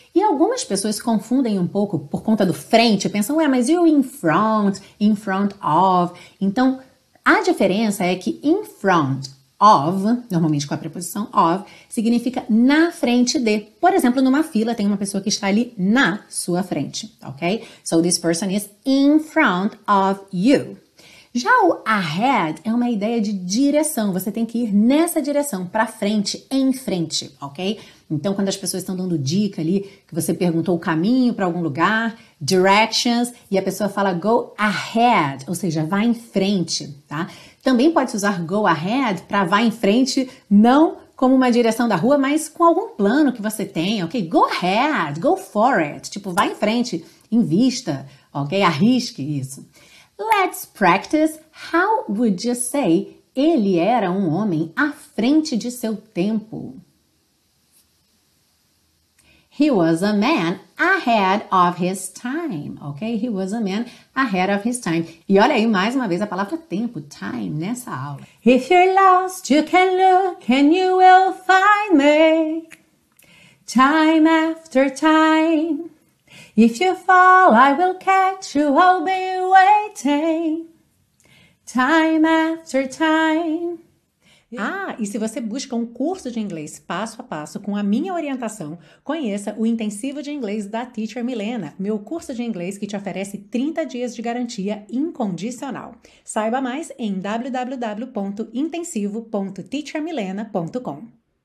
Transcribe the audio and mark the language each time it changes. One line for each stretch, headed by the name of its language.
Portuguese: E algumas pessoas confundem um pouco por conta do frente, pensam, ué, mas e o in front of? Então, a diferença é que in front of, normalmente com a preposição of, significa na frente de. Por exemplo, numa fila tem uma pessoa que está ali na sua frente, ok?
English: So this person is in front of you.
Portuguese: Já o ahead é uma ideia de direção, você tem que ir nessa direção, para frente, em frente, ok? Então, quando as pessoas estão dando dica ali, que você perguntou o caminho para algum lugar, directions, e a pessoa fala go ahead, ou seja, vá em frente, tá? Também pode usar go ahead para vá em frente, não como uma direção da rua, mas com algum plano que você tenha, ok?
English: Go ahead, go for it,
Portuguese: tipo, vá em frente, invista, ok? Arrisque isso.
English: Let's practice. How would you say
Portuguese: ele era um homem à frente de seu tempo?
English: He was a man ahead of his time, okay? He was a man ahead of his time.
Portuguese: E olha aí mais uma vez a palavra tempo, time, nessa aula.
English: If you're lost, you can look and you will find me. Time after time. If you fall, I will catch you, I'll be waiting. Time after time.
Portuguese: Ah, e se você busca um curso de inglês passo a passo com a minha orientação, conheça o Intensivo de Inglês da Teacher Milena, meu curso de inglês que te oferece 30 dias de garantia incondicional. Saiba mais em www.intensivo.teachermilena.com.